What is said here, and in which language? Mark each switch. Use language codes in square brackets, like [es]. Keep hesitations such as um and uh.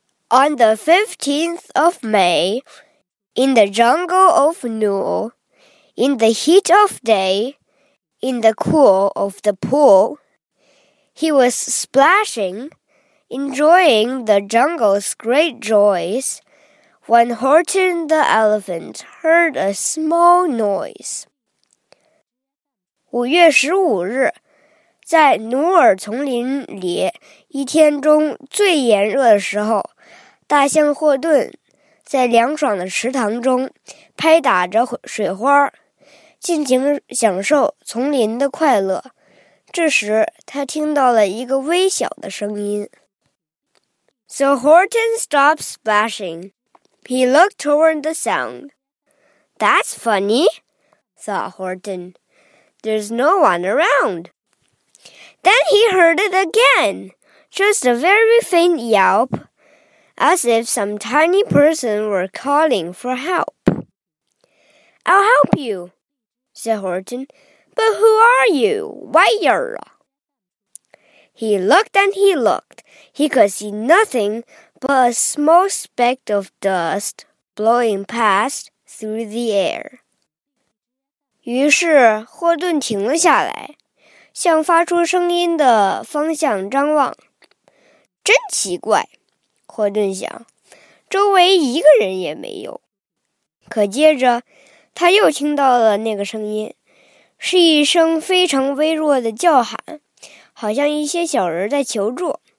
[en] on the 15th of May, in the jungle of Nur, in the heat of day, in the cool of the pool, he was splashing, enjoying the jungle's great joys, when Horton the elephant heard a small noise. [zh] 五月十五日，在努尔丛林里，一天中最炎热的时候，大象霍顿在凉爽的池塘中拍打着水花，尽情享受丛林的快乐。这时，他听到了一个微小的声音。 [en] So Horton stopped splashing. He looked toward the sound. That's funny, thought Horton. There's no one around. Then he heard it again, just a very faint yelp, as if some tiny person were calling for help. I'll help you, said Horton. But who are you? Why are He looked and he looked. He could see nothing but a small speck of dust blowing past through the air. [zh] 于是霍顿停了下来，向发出声音的方向张望。真奇怪，霍顿想，周围一个人也没有。可接着，他又听到了那个声音，是一声非常微弱的叫喊，好像一些小人在求助。